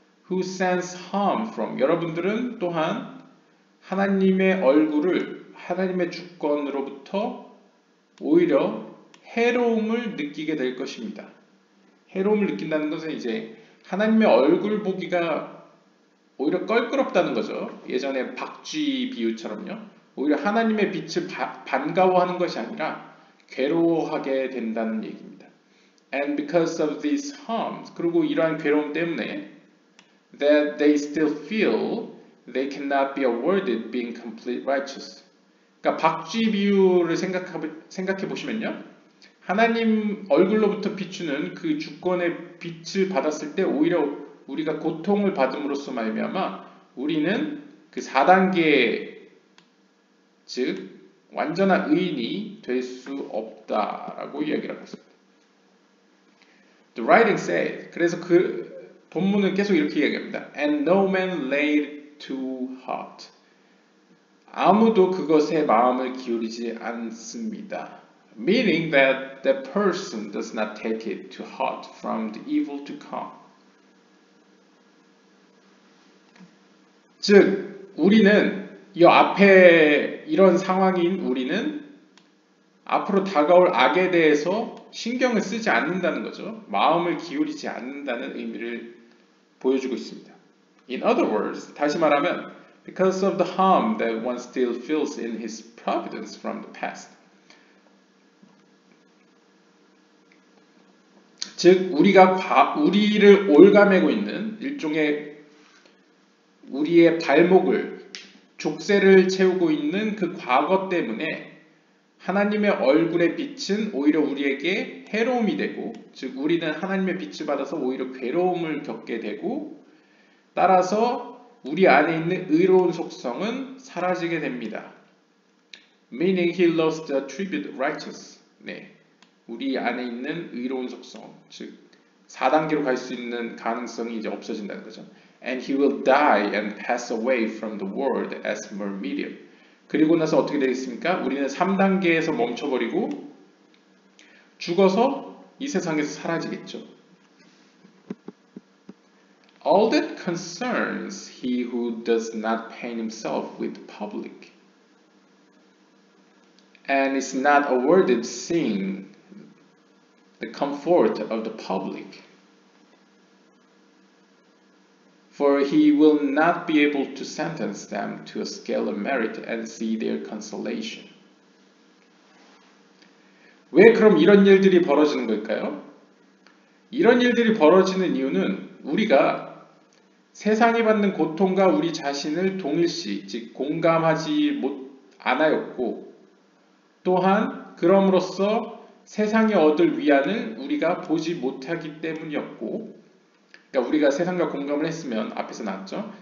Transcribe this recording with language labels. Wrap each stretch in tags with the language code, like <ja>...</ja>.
<en>Who sense harm from</en> <ko>여러분들은 또한 하나님의 얼굴을 하나님의 주권으로부터 오히려 해로움을 느끼게 될 것입니다. 해로움을 느낀다는 것은 이제 하나님의 얼굴 보기가 오히려 껄끄럽다는 거죠. 예전에 박쥐 비유처럼요. 오히려 하나님의 빛을 반가워하는 것이 아니라 괴로워하게 된다는 얘기입니다.</ko> <en>And because of these harms,</en> <ko>그리고 이러한 괴로움 때문에</ko> <en>that they still feel they cannot be awarded being complete righteous.</en> <ko>그러니까 박쥐 비유를 생각해 보시면요. 하나님 얼굴로부터 비추는 그 주권의 빛을 받았을 때 오히려 우리가 고통을 받음으로써 말미암아 우리는 그 4단계 즉 완전한 의인이 될 수 없다라고 이야기를 하고 있습니다.</ko> <en>The writing said</en> <ko>그래서 그 본문은 계속 이렇게 이야기합니다.</ko> <en>And no man laid to heart</en> <ko>아무도 그것에 마음을 기울이지 않습니다.</ko> <en>Meaning that the person does not take it to heart from the evil to come.</en> <ko>즉, 우리는 이 앞에 이런 상황인 우리는 앞으로 다가올 악에 대해서 신경을 쓰지 않는다는 거죠. 마음을 기울이지 않는다는 의미를 보여주고 있습니다.</ko> <en>In other words,</en> <ko>다시 말하면</ko> <en>because of the harm that one still feels in his providence from the past.</en> <ko>즉 우리를 올가매고 있는 일종의 우리의 발목을 족쇄를 채우고 있는 그 과거 때문에 하나님의 얼굴의 빛은 오히려 우리에게 해로움이 되고 즉 우리는 하나님의 빛을 받아서 오히려 괴로움을 겪게 되고 따라서 우리 안에 있는 의로운 속성은 사라지게 됩니다.</ko> <en>Meaning he lost the attribute righteous. 네.</en> <ko>우리 안에 있는 의로운 속성, 즉 4단계로 갈 수 있는 가능성이 이제 없어진다는 거죠.</ko> <en>And he will die and pass away from the world as mere medium.</en> <ko>그리고 나서 어떻게 되겠습니까? 우리는 3단계에서 멈춰버리고 죽어서 이 세상에서 사라지겠죠.</ko> <en>All that concerns he who does not pain himself with public and is not awarded seeing the comfort of the public. For he will not be able to sentence them to a scale of merit and see their consolation.</en> <ko>왜 그럼 이런 일들이 벌어지는 걸까요? 이런 일들이 벌어지는 이유는 우리가 세상이 받는 고통과 우리 자신을 동일시, 즉 공감하지 않았고 또한 그럼으로써 세상이 얻을 위안을 우리가 보지 못하기 때문이었고 그러니까 우리가 세상과 공감을 했으면 앞에서 나왔죠.</ko>